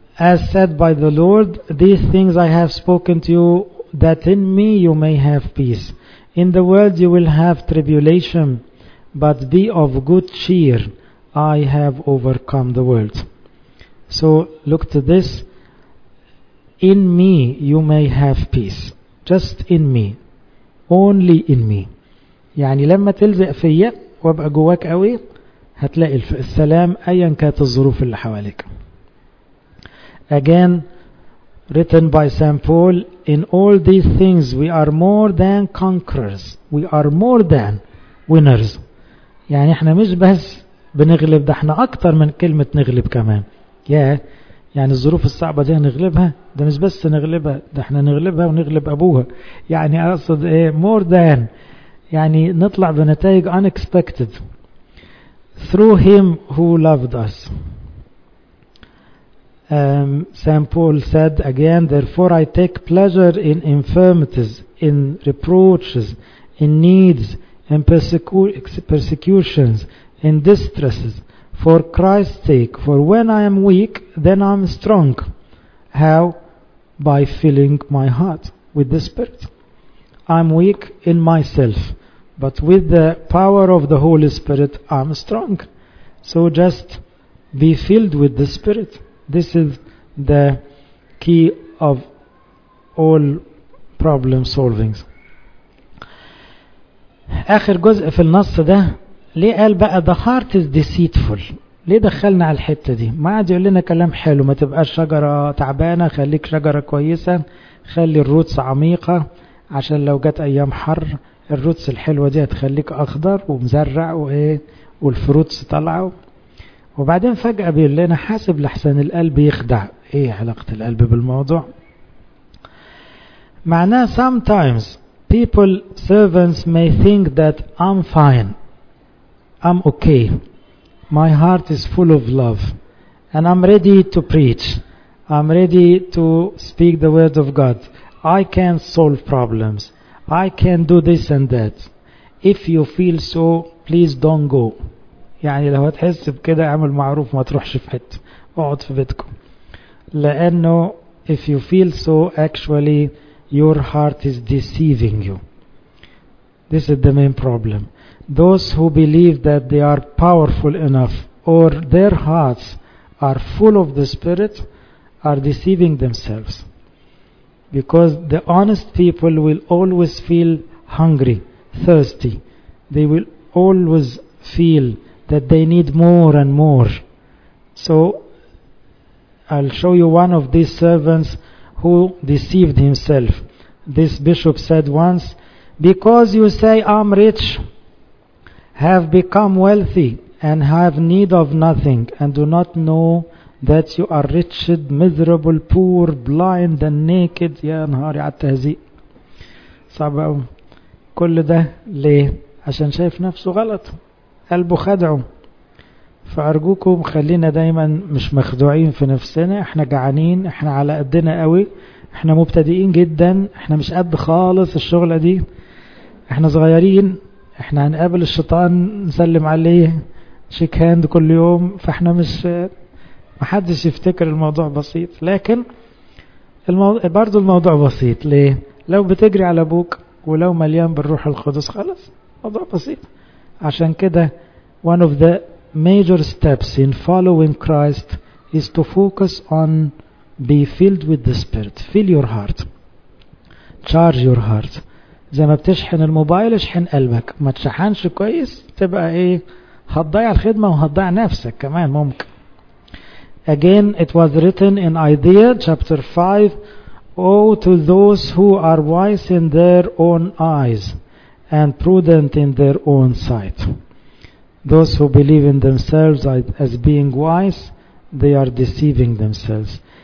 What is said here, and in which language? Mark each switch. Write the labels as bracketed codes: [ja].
[en] As said by the Lord, these things I have spoken to you that in me you may have peace. In the world you will have tribulation, but be of good cheer, I have overcome the world. So look to this, in me you may have peace. Just in me, only in me. [ar] يعني لما تلزق فيا وابقى جواك قوي هتلاقي السلام ايا كانت الظروف اللي حواليك. [en] Again, written by Saint Paul, in all these things we are more than conquerors. We are more than winners. [ar] يعني احنا مش بس بنغلب، ده احنا اكتر من كلمة نغلب كمان. Yeah. يعني الظروف الصعبة دي هنغلبها، ده مش بس نغلبها، ده احنا نغلبها ونغلب ابوها. يعني اقصد ايه [en] more than، [ar] يعني نطلع بنتائج unexpected. [en] Through him who loved us. Saint Paul said again, therefore I take pleasure in infirmities, in reproaches, in needs, in persecutions, in distresses, for Christ's sake, for when I am weak, then I am strong. How? By filling my heart with the Spirit. I am weak in myself, but with the power of the Holy Spirit I am strong. So just be filled with the Spirit. This is the key of all problem solving. [ar] آخر جزء في النص ده ليه قال بقى [en] the heart is deceitful؟ [ar] ليه دخلنا على الحتة دي؟ ما عاد يقول لنا كلام حلو، ما تبقاش شجرة تعبانة، خليك شجرة كويسة، خلي الروتس عميقة عشان لو جت أيام حر الروتس الحلوة دي هتخليك أخضر ومزرع وإيه والفروتس طلعوا. وبعدين فجأة بيقول لنا حاسب لحسن القلب يخدع. ايه علاقة القلب بالموضوع؟ معناه [en] sometimes people servants may think that I'm fine, I'm okay, my heart is full of love and I'm ready to preach, I'm ready to speak the word of God, I can solve problems, I can do this and that. If you feel so, please don't go. [ar] يعني لو هتحس بكده اعمل معروف ما تروحش في حتة، اقعد في بيتكم. لانه [en] if you feel so actually your heart is deceiving you. This is the main problem. Those who believe that they are powerful enough or their hearts are full of the Spirit are deceiving themselves. Because the honest people will always feel hungry, thirsty. They will always feel that they need more and more. So I'll show you one of these servants who deceived himself. This bishop said once, because you say I'm rich, have become wealthy and have need of nothing, and do not know that you are wretched, miserable, poor, blind and naked. [ar] Ya nahari atazi. Sabab kull da li عشان شايف نفسه غلط قلبه خدعه. فأرجوكم خلينا دايما مش مخدوعين في نفسنا. احنا جعانين, احنا على قدنا قوي, احنا مبتدئين جدا, احنا مش قد خالص الشغلة دي, احنا صغيرين, احنا هنقابل الشيطان نسلم عليه شيك هاند كل يوم, فاحنا مش محدش يفتكر الموضوع بسيط. لكن برضو الموضوع بسيط. ليه؟ لو بتجري على ابوك ولو مليان بالروح القدس خلاص موضوع بسيط. عشان كده [en] one of the major steps in following Christ is to focus on be filled with the Spirit. Fill your heart. Charge your heart. [ar] زي ما بتشحن الموبايل اشحن قلبك. ما تشحنش كويس تبقى ايه, هتضيع الخدمة وهتضيع نفسك كمان ممكن. [en] Again, it was written in Isaiah chapter 5, Oh, to those who are wise in their own eyes and prudent in their own sight. Those who believe in themselves as being wise, they are deceiving themselves.